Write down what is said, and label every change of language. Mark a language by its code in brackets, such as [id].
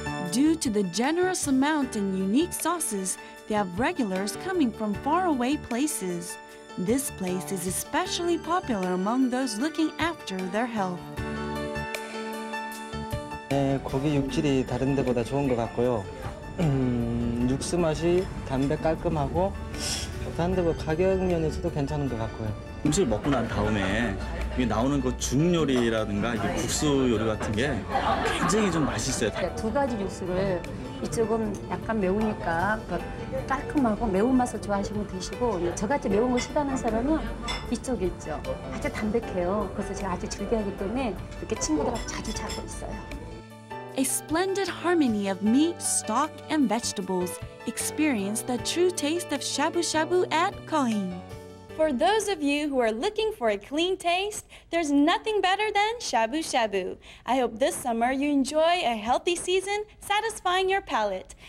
[en] Due to the generous amount and unique sauces, they have regulars coming from faraway places. This place is especially popular among those looking after their health. [ko] 네, 고기 육질이 다른 데보다 좋은 것 같고요. 육수 맛이 담백 깔끔하고 다른 데보다 가격 면에서도 괜찮은 것 같고요. 음식을 먹고 난 다음에 이게 나오는 그 중요리라든가 이게 국수 요리 같은 게 굉장히 좀 맛있어요. 두 가지 육수를 이쪽은 약간 매우니까 깔끔하고 매운맛을 좋아하시면 드시고 저같이 매운 거 싫어하는 사람은 이쪽에 있죠. 아주 담백해요. 그래서 제가 아주 즐겨하기 때문에 이렇게 친구들하고 자주 자고 있어요. [en] A splendid harmony of meat, stock, and vegetables. Experience the true taste of shabu-shabu at Cuisine. For those of you who are looking for a clean taste, there's nothing better than shabu shabu. I hope this summer you enjoy a healthy season satisfying your palate.